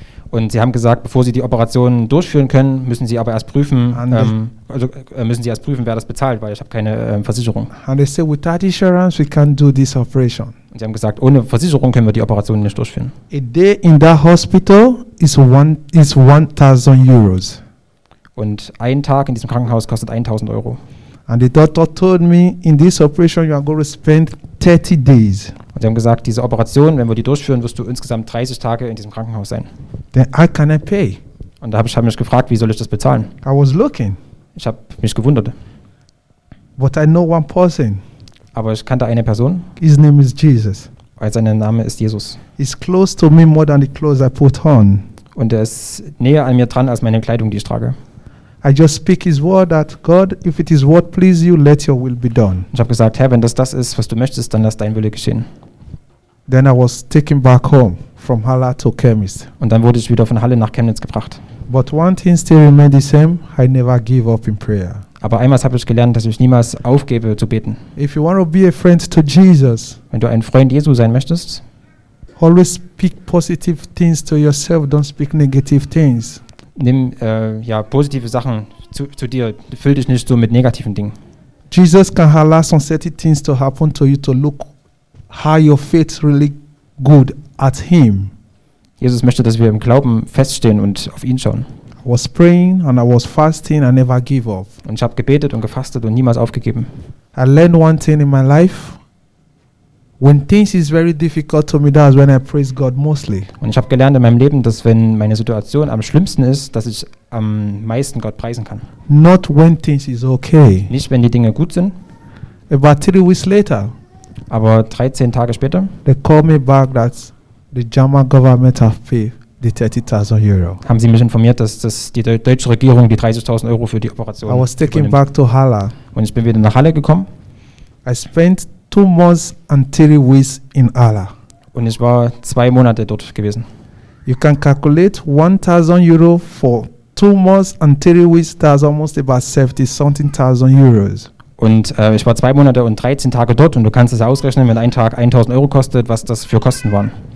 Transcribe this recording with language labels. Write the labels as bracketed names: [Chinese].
[German] Und sie haben gesagt, bevor sie die Operation durchführen können, müssen sie aber erst prüfen, wer das bezahlt, weil ich habe keine Versicherung. [English] And they say, without insurance, we can't do this operation. [German] Und sie haben gesagt, ohne Versicherung können wir die Operation nicht durchführen. [English] A day in that hospital is 1,000 euros. [German] Und ein Tag in diesem Krankenhaus kostet 1.000 Euro. [English] And the doctor told me, in this operation you are going to spend 30 days. [German] Und sie haben gesagt, diese Operation, wenn wir die durchführen, wirst du insgesamt 30 Tage in diesem Krankenhaus sein. [English] Then how can I pay? [German] Und da habe ich mich gefragt, wie soll ich das bezahlen? [English] I was looking. [German] Ich habe mich gewundert. [English] But I know one person. [German] Aber ich kannte eine Person. [English] His name is Jesus. [German] Weil sein Name ist Jesus. [English] He's close to me more than the clothes I put on. [German] Und er ist näher an mir dran als meine Kleidung, die ich trage. [English] I just speak his word that God, if it is what please you, let your will be done. [German] Ich habe gesagt, Herr, wenn das ist, was du möchtest, dann lass dein Wille geschehen. [English] Then I was taken back home from Halle to Chemnitz. [German] Und dann wurde ich wieder von Halle nach Chemnitz gebracht. [English] But one thing still remained the same, I never give up in prayer. [German] Aber einmal habe ich gelernt, dass ich niemals aufgebe zu beten. [English] If you want to be a friend to Jesus, [German] wenn du ein Freund Jesu sein möchtest, [English] always speak positive things to yourself, don't speak negative things. [German] Nimm positive Sachen zu dir. Füll dich nicht so mit negativen Dingen. [English] Jesus can allow some certain things to happen to you to look how your faith really good at him. [German] Jesus möchte, dass wir im Glauben feststehen und auf ihn schauen. [English] I was praying and I was fasting and never give up. [German] Und ich habe gebetet und gefastet und niemals aufgegeben. [English] I learned one thing in my life. When things is very difficult to me, that's when I praise God mostly. [German] Und ich habe gelernt in meinem Leben, dass wenn meine Situation am schlimmsten ist, dass ich am meisten Gott preisen kann. [English] Not when things is okay. [German] Nicht wenn die Dinge gut sind. [English] About 3 weeks later. [German] Aber 13 Tage später. [English] They call me back that the German government have paid the 30,000 euro. [German] Haben sie mich informiert, dass die deutsche Regierung die 30.000 Euro für die Operation übernimmt. [English] I was taken back to Halle. [German] Und ich bin wieder nach Halle gekommen. [English] I spent 2 months and 3 weeks in Allah. [German] Und ich war 2 Monate dort gewesen. [English] You can calculate 1,000 euro for 2 months and 3 weeks, that's almost about 70,000 euros. [German] Und ich war 2 Monate und 13 Tage dort und du kannst es ausrechnen, wenn ein Tag 1,000 Euro kostet, was das für Kosten waren.